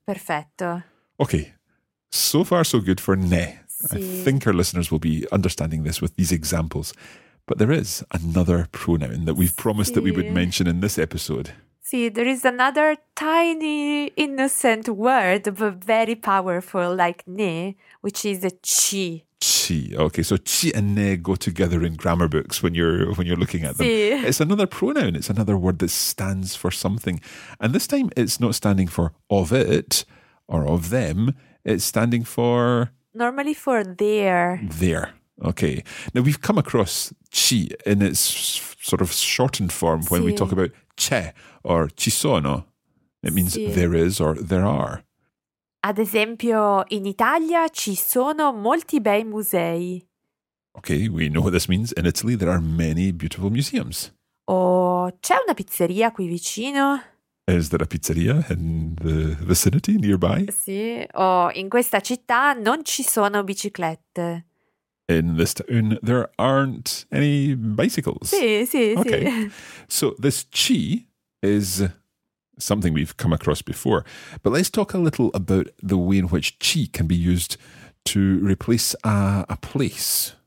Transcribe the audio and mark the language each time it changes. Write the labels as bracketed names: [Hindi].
[Italian] Perfetto. [English] Okay, so far so good for ne. [Italian] Sì. [English] I think our listeners will be understanding this with these examples. But there is another pronoun that we've promised that we would mention in this episode. See, there is another tiny, innocent word, but very powerful, like ne, which is a ci. [Italian] Ci. chi. [English] Okay, so chi and ne go together in grammar books when you're looking at them. [Italian] Sí. [English] It's another pronoun. It's another word that stands for something. And this time it's not standing for of it or of them. It's standing for... Normally for there. There. Okay. Now we've come across chi in its sort of shortened form when we talk about c'è or ci sono. It means there is or there are. [Italian] Ad esempio, in Italia ci sono molti bei musei. [English] Okay, we know what this means. In Italy, there are many beautiful museums. [Italian] Oh, c'è una pizzeria qui vicino. [English] Is there a pizzeria in the vicinity, nearby? [Italian] Sì, in questa città non ci sono biciclette. [English] In this town, there aren't any bicycles. [Italian] Sì. [English] So this chi is... something we've come across before. But let's talk a little about the way in which chi can be used to replace a place.